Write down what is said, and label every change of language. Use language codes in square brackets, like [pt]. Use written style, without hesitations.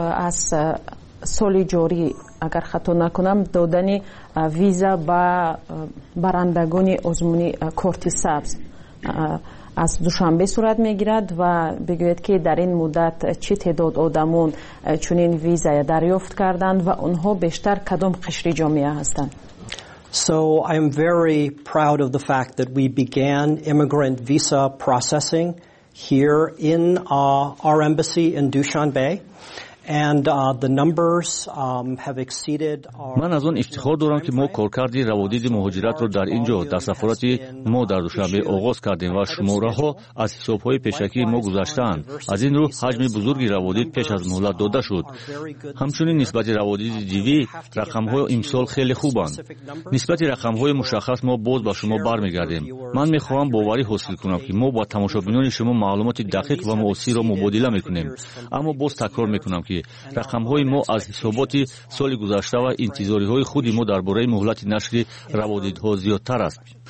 [fa] از سال جاری اگر خطا نکنم دادن ویزا به برندگان آزمونی کارت سبز از دوشنبه صورت میگیرد و بگوید که در این مدت چه تعداد آدمون چنین ویزا دریافت کردند و اونها بیشتر کدام قشر جامعه هستند؟ [en] So I am very proud of the fact that we began immigrant visa processing here in our embassy in Dushanbe and the numbers have exceeded our [fa] من از اون افتخار دارم که ما کارکردی روادید مهاجرت رو در اینجا در سفارت ما در دوشنبه آغاز کردیم و شماره ها از حساب های پیشکی ما گذشتند از این رو حجم بزرگی روادید پیش از مهلت داده شد همچنین نسبت روادید دیوی رقم های امسال خیلی خوبند نسبت رقم های مشخص ما باز به شما برمیگردیم من میخواهم باوری حاصل کنم که ما با تماشابینان شما معلومات دقیق و موثر رو مبادله میکنیم اما باز تکرار میکنم که رقم های ما از حسابات سال گذشته و انتظاری های خود ما درباره مهلت نشر روادید ها زیادتر است